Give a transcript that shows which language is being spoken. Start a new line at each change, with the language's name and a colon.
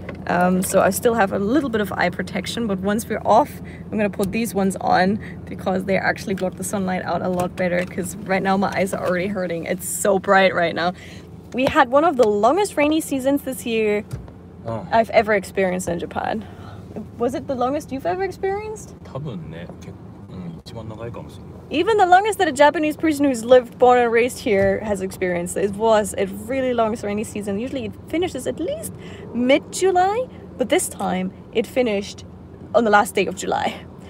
English: So I still have a little bit of eye protection, but once we're off, I'm gonna put these ones on because they actually block the sunlight out a lot better, because right now my eyes are already hurting. It's so bright right now. We had one of the longest rainy seasons this year I've ever experienced in Japan. Was it the longest you've ever experienced?
Japanese: 多分ね、結構、一番長いかもしれない。
English: Even the longest that a Japanese person who's lived, born and raised here has experienced, it was a really long rainy season. Usually it finishes at least mid-July, but this time it finished on the last day of July.